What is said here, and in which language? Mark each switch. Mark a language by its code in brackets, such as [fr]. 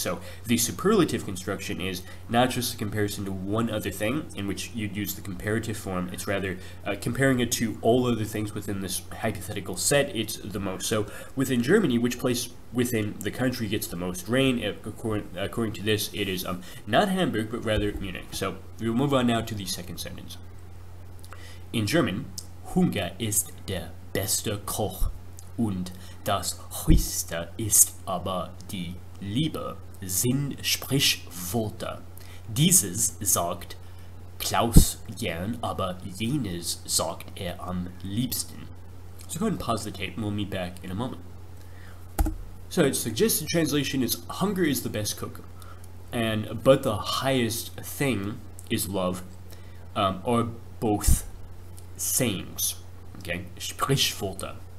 [en] So the superlative construction is not just a comparison to one other thing, in which you'd use the comparative form. It's rather comparing it to all other things within this hypothetical set. It's the most. So within Germany, which place within the country gets the most rain, according to this, it is not Hamburg, but rather Munich. So we'll move on now to the second sentence. In German, [de] Hunger ist der beste Koch und das höchste ist aber die Liebe, sind Sprichworte. Dieses sagt Klaus gern, aber jenes sagt am liebsten. [en] So go ahead and pause the tape and we'll meet back in a moment. So its suggested translation is, hunger is the best cook, and but the highest thing is love, are both sayings, okay? Sprichworte.